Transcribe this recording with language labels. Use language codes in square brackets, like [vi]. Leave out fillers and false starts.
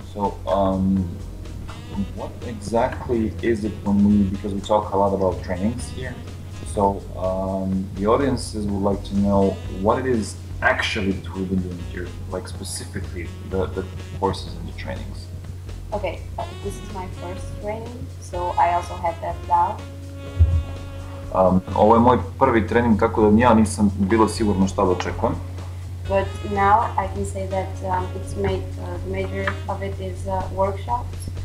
[en] What exactly is it when we, because we talk a lot about trainings here, so the audiences would like to know what it is actually that we've been doing here, like specifically the courses and the trainings. Okay, this is my first training, so I also have that now. [sr] Ovo je moj prvi trening, tako da ja nisam bila sigurna šta da očekujem. [en] But now I can say that it's made, the major of it is workshops.